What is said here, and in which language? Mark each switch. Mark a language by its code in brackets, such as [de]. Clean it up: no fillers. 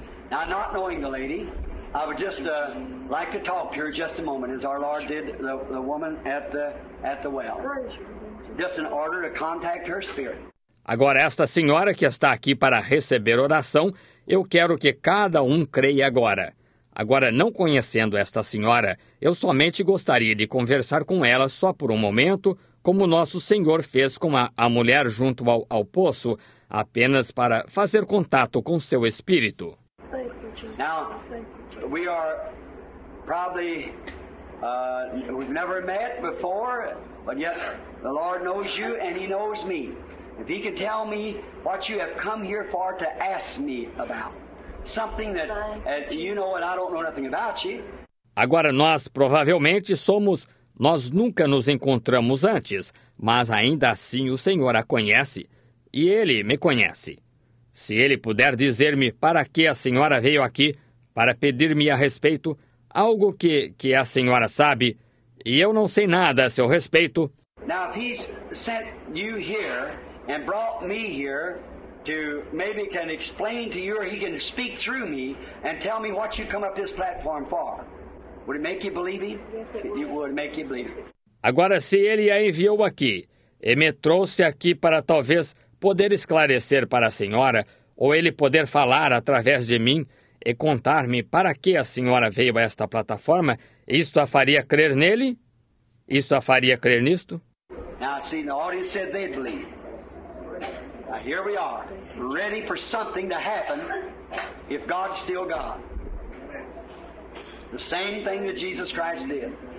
[en] Now, not knowing the lady, I would just like to talk to her just a moment, as our Lord did the woman at the well. Just in order to contact her spirit. [pt] Agora, esta senhora que está aqui para receber oração, eu quero que cada um creia agora. Agora, não conhecendo esta senhora, eu somente gostaria de conversar com ela só por um momento, como nosso Senhor fez com a mulher junto ao poço, apenas para fazer contato com seu espírito. [en] Now, we are probably, we've never met before, but yet the Lord knows you and he knows me. If he can tell me what you have come here for to ask me about, something that you know and I don't know nothing about you. [pt] Agora nós provavelmente somos, nós nunca nos encontramos antes, mas ainda assim o Senhor a conhece e ele me conhece. Se ele puder dizer-me para que a senhora veio aqui para pedir-me a respeito, algo que a senhora sabe e eu não sei nada a seu respeito. [en] Now if he's sent you here, and brought me here to maybe can explain to you, or he can speak through me and tell me what you come up this platform for. Would it make you believe him? Yes, it would make you believe. [pt] Agora, se ele a enviou aqui e me trouxe aqui para talvez poder esclarecer para a senhora ou ele poder falar através de mim e contar-me para que a senhora veio a esta plataforma, isto a faria crer nele? Isto a faria crer nisto? [en] Now, see, the audience said they'd believe. Now, here we are, ready for something to happen if God's still God. The same thing that Jesus Christ did.